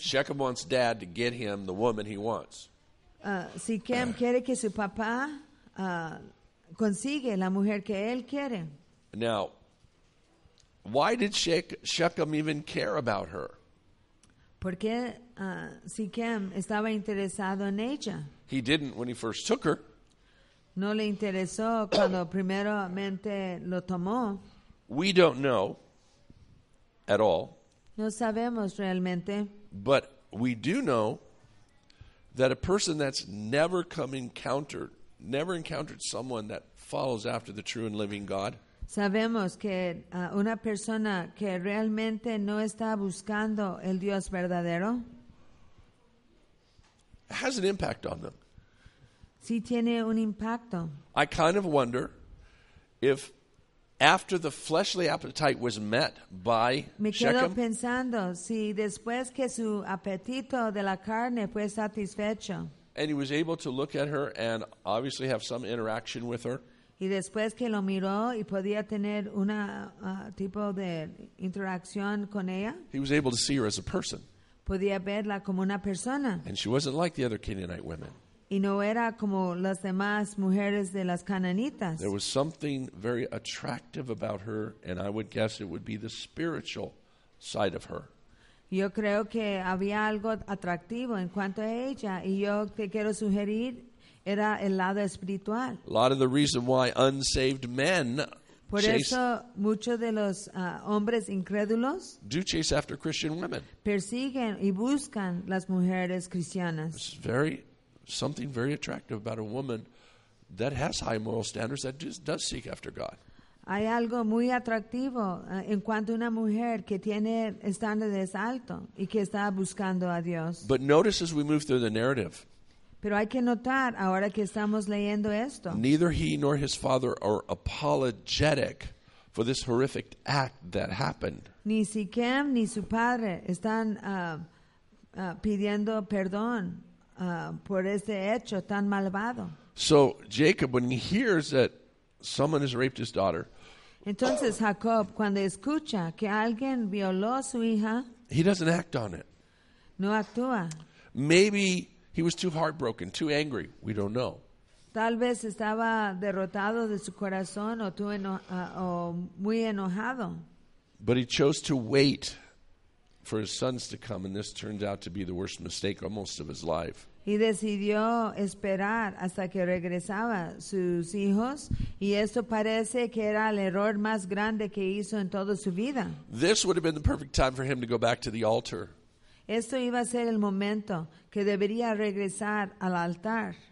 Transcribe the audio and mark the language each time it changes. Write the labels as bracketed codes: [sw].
[en] Shechem wants dad to get him the woman he wants. [es] Siquem quiere que su papá consiga la mujer que él quiere. [en] Now, why did Shechem even care about her? [es] Porque Siquem estaba interesado en ella. [en] He didn't when he first took her. [es] No le interesó cuando primeramente lo tomó. [en] We don't know at all. [es] No sabemos realmente. [en] But we do know that a person that's never encountered someone that follows after the true and living God. [es] Sabemos que una persona que realmente no está buscando el Dios verdadero [en] has an impact on them. [es] Sí tiene un impacto. [en] I kind of wonder if after the fleshly appetite was met by [es] me quedo [en] Shechem, [es] pensando si después que su apetito de la carne fue satisfecho, [en] and he was able to look at her and obviously have some interaction with her. [es] Y después que lo miró y podía tener una tipo de interacción con ella. [en] He was able to see her as a person. [es] Podía verla como una persona. [en] And she wasn't like the other Canaanite women. [es] Y no era como las demás mujeres de las cananitas. [en] There was something very attractive about her, and I would guess it would be the spiritual side of her. [es] Yo creo que había algo atractivo en cuanto a ella, y yo te quiero sugerir. Era el lado espiritual. [en] A lot of the reason why unsaved men [es] por [en] chase, [es] eso muchos de los hombres incrédulos [en] do chase after Christian women. [es] Persiguen y buscan las mujeres cristianas. [en] It's very something very attractive about a woman that has high moral standards that does seek after God. [es] Hay algo muy atractivo en cuanto a una mujer que tiene estándares altos y que está buscando a Dios. [en] But notice as we move through the narrative. [es] Pero hay que notar ahora que estamos leyendo esto. [en] Neither he nor his father are apologetic for this horrific act that happened. [es] Ni Siquem ni su padre están pidiendo perdón por este hecho tan malvado. [en] So Jacob, when he hears that someone has raped his daughter, [es] entonces Jacob, cuando escucha que alguien violó a su hija, [en] he doesn't act on it. [es] No actúa. [en] Maybe he was too heartbroken, too angry. We don't know. [es] Tal vez estaba derrotado de su corazón o muy enojado. [en] But he chose to wait for his sons to come, and this turned out to be the worst mistake almost of his life. [es] Y decidió esperar hasta que regresaba sus hijos, y esto parece que era el error más grande que hizo en toda su vida. [en] This would have been the perfect time for him to go back to the altar. [es] Esto iba a ser el momento que debería regresar al altar.